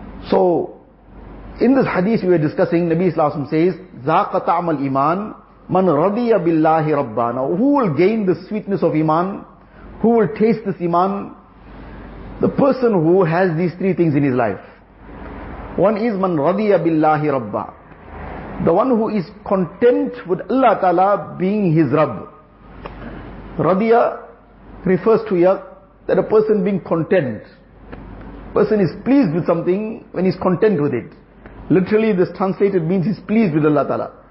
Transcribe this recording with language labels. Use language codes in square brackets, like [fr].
[en] So, in this hadith we were discussing, Nabi Sallallahu Alaihi Wasallam says, [ar] ذَاقَ طَعْمَ الْإِيمَانِ مَنْ رَضِيَ بِاللَّهِ رَبَّا. [en] Now, who will gain the sweetness of iman? Who will taste this iman? The person who has these three things in his life. One is, [ar] مَنْ رَضِيَ بِاللَّهِ رَبَّا. [en] The one who is content with Allah Ta'ala being his Rabb. رَضِيَ refers to that a person being content. Person is pleased with something when he's content with it. Literally this translated means he's pleased with Allah Ta'ala.